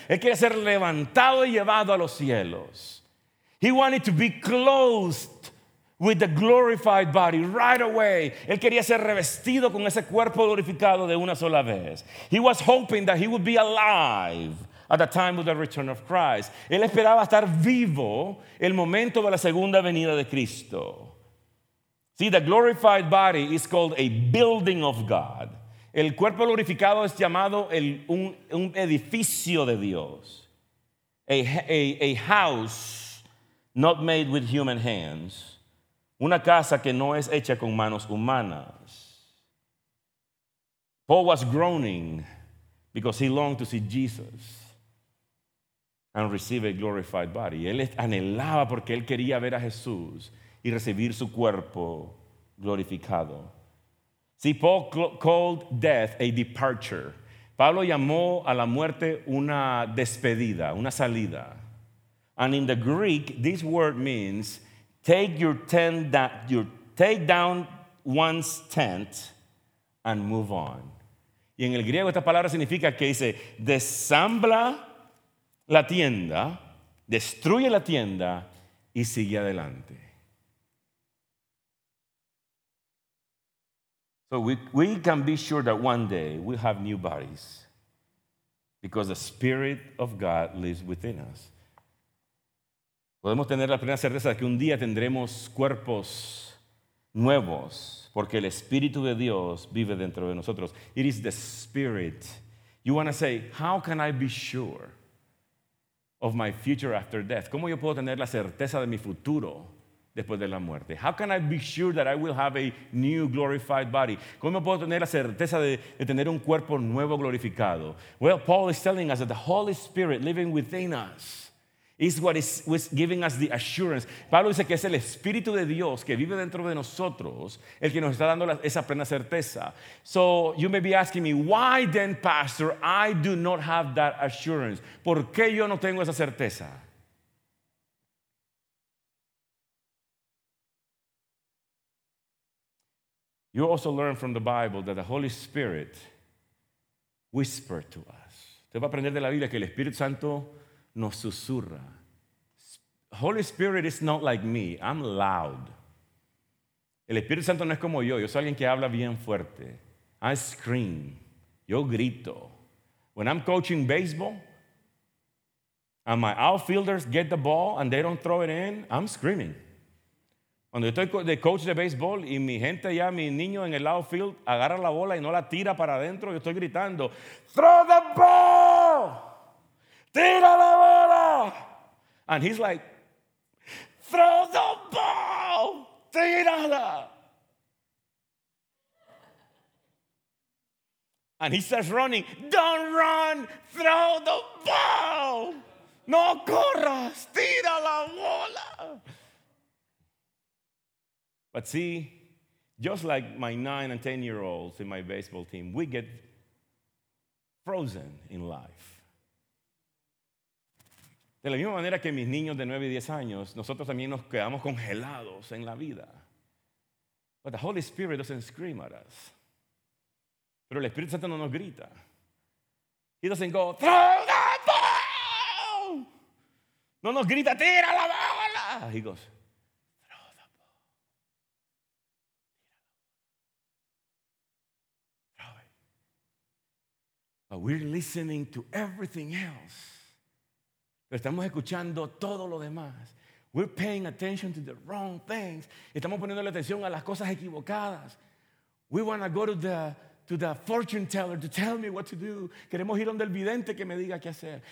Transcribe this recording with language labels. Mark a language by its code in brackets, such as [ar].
[es] Él quería ser levantado y llevado a los cielos. [en] He wanted to be clothed with the glorified body right away. [es] Él quería ser revestido con ese cuerpo glorificado de una sola vez. [en] He was hoping that he would be alive at the time of the return of Christ. [es] Él esperaba estar vivo el momento de la segunda venida de Cristo. [en] See, the glorified body is called a building of God. [es] El cuerpo glorificado es llamado un edificio de Dios. [en] A house not made with human hands. [es] Una casa que no es hecha con manos humanas. [en] Paul was groaning because he longed to see Jesus and receive a glorified body. [es] Él anhelaba porque él quería ver a Jesús y recibir su cuerpo glorificado. [en] See, Paul called death a departure. [es] Pablo llamó a la muerte una despedida, una salida. [en] And in the Greek, this word means take down one's tent and move on. [es] Y en el griego esta palabra significa que dice, desambla la tienda, destruye la tienda y sigue adelante. [en] So we can be sure that one day we'll have new bodies because the Spirit of God lives within us. [es] Podemos tener la plena certeza de que un día tendremos cuerpos nuevos porque el Espíritu de Dios vive dentro de nosotros. [en] It is the Spirit. You want to say, how can I be sure of my future after death? [es] ¿Cómo yo puedo tener la certeza de mi futuro después de la muerte? [en] How can I be sure that I will have a new glorified body? [es] ¿Cómo puedo tener la certeza de tener un cuerpo nuevo glorificado? [en] Well, Paul is telling us that the Holy Spirit living within us is what is giving us the assurance. [es] Pablo dice que es el Espíritu de Dios que vive dentro de nosotros el que nos está dando esa plena certeza. [en] So you may be asking me, why then, Pastor, I do not have that assurance? [es] ¿Por qué yo no tengo esa certeza? [en] You also learn from the Bible that the Holy Spirit whispered to us. [es] Usted va a aprender de la Biblia que el Espíritu Santo nos susurra. [en] Holy Spirit is not like me. I'm loud. [es] El Espíritu Santo no es como yo. Yo soy alguien que habla bien fuerte. [en] I scream. [es] Yo grito. [en] When I'm coaching baseball and my outfielders get the ball and they don't throw it in, I'm screaming. [es] Cuando yo estoy de coach de baseball y mi gente ya, mi niño en el outfield agarra la bola y no la tira para adentro, yo estoy gritando, [en] throw the ball! [es] ¡Tira la bola! [en] And he's like, throw the ball, [es] tírala. [en] And he starts running, don't run, throw the ball. [es] No corras, tira la bola. [en] But see, just like my 9 and 10-year-olds in my baseball team, we get frozen in life. [es] De la misma manera que mis niños de 9 y 10 años, nosotros también nos quedamos congelados en la vida. [en] But the Holy Spirit doesn't scream at us. [es] Pero el Espíritu Santo no nos grita. [en] He doesn't go, throw the ball! [es] No nos grita, tira la bola! [en] He goes, throw the ball. [es] Tira la bola. [en] Throw it. But we're listening to everything else. [es] Pero estamos escuchando todo lo demás. [en] We're paying attention to the wrong things. [es] Estamos poniendo la atención a las cosas equivocadas. [en] We want to go to the fortune teller to tell me what to do. [es] Queremos ir donde el vidente que me diga qué hacer.